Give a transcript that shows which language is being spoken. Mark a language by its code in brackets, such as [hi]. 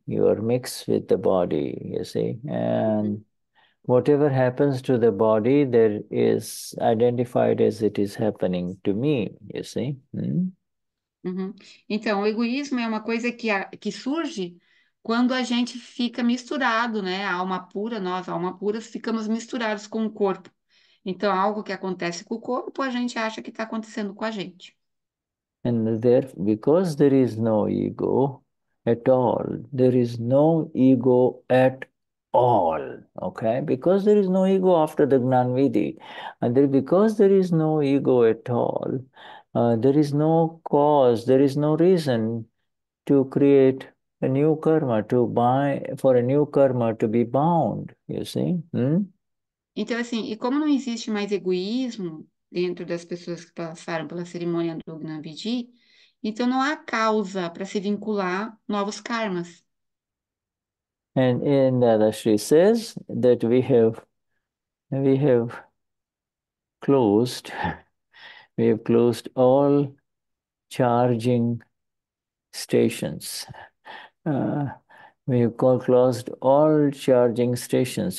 [en] You are mixed with the body, you see. And whatever happens to the body, there is identified as it is happening to me, you see. [pt] Então, o egoísmo é uma coisa que surge quando a gente fica misturado, né? A alma pura, nós, alma pura, ficamos misturados com o corpo. Então, algo que acontece com o corpo, a gente acha que está acontecendo com a gente. [en] And there, because there is no ego at all, there is no ego at all. Okay? Because there is no ego after the Gnanvidhi, and there, because there is no ego at all, there is no cause, there is no reason to create a new karma, to buy for a new karma to be bound, you see? [pt] Então, assim, e como não existe mais egoísmo dentro das pessoas que passaram pela cerimônia do Gnanvidhi, então não há causa para se vincular novos karmas. [en] And Dadashri says that we have closed all charging stations. We have closed all charging stations.